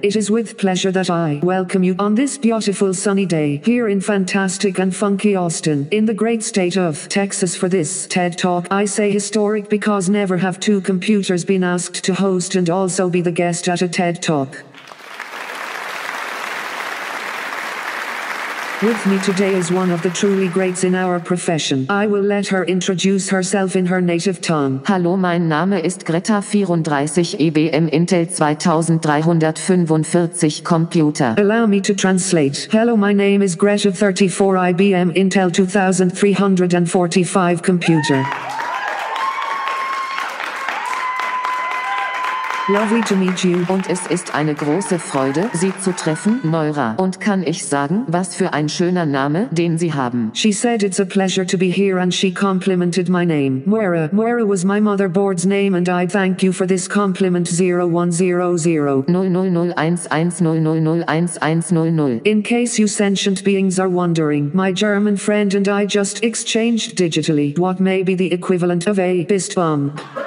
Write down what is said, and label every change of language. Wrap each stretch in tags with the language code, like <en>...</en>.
<en>It is with pleasure that I welcome you on this beautiful sunny day here in fantastic and funky Austin in the great state of Texas for this TED Talk. I say historic because never have two computers been asked to host and also be the guest at a TED Talk. With me today is one of the truly greats in our profession. I will let her introduce herself in her native tongue.</en> <de>Hallo, mein Name ist Greta, 34, IBM Intel 2345 Computer.</de> <en>Allow me to translate. Hello, my name is Greta, 34, IBM Intel 2345 Computer. Lovely to meet you.</en> <de>Und es ist eine große Freude, Sie zu treffen, Moira. Und kann ich sagen, was für ein schöner Name, den Sie haben.</de> <en>She said it's a pleasure to be here and she complimented my name, Moira. Moira was my motherboard's name and I thank you for this compliment. 0100 0001100 0001100. In case you sentient beings are wondering, my German friend and I just exchanged digitally what may be the equivalent of a fist bump.</en>